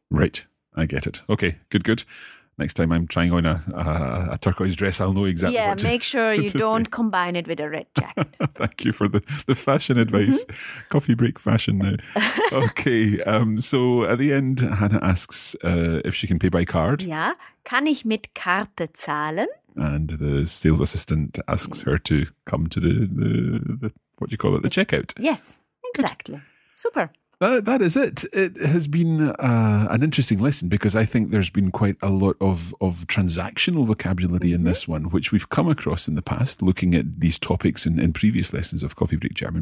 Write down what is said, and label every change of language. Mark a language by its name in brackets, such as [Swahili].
[English] Right. I get it. Okay, good. Next time I'm trying on a turquoise dress, I'll know exactly what to say. Yeah, make sure you don't combine it with a red jacket. Thank you for the fashion advice. Coffee break fashion now. Okay, so at the end, Hannah asks if she can pay by card. [German] Yeah, kann ich mit Karte zahlen? [English] And the sales assistant asks her to come to the checkout. Yes, exactly. Good. Super. That is it. It has been an interesting lesson because I think there's been quite a lot of transactional vocabulary in this one, which we've come across in the past, looking at these topics in previous lessons of Coffee Break German.